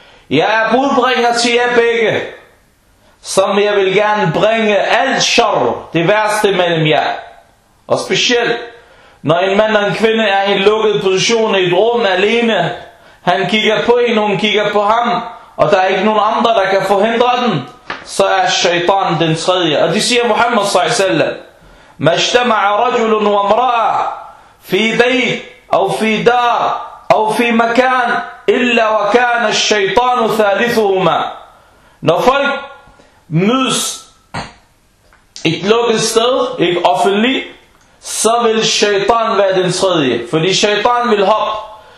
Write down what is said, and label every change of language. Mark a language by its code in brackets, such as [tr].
[da] Jeg er budbringer til jer begge, som jeg vil gerne bringe alt shar, det værste mellem jer. Og specielt, når en mand og en kvinde er i en lukket position i et rum alene, han kigger på en, hun kigger på ham, og der er ikke nogen andre, der kan forhindre den, så er shaitan den tredje. Og det siger Muhammad sallallahu alaihi wasallam: [ar] مَجْتَمَعَ رَجُلٌ وَمْرَأَ فِي بَيْتٍ أَوْ فِي دَارٍ أَوْ فِي مَكَانٍ إِلَّا وَكَانَ الشَّيْطَانُ ثَالِثُهُمَا. [da] Når folk mødes et lukket sted, ikke offentligt, så vil shaitan være den tredje, fordi shaitan vil hoppe.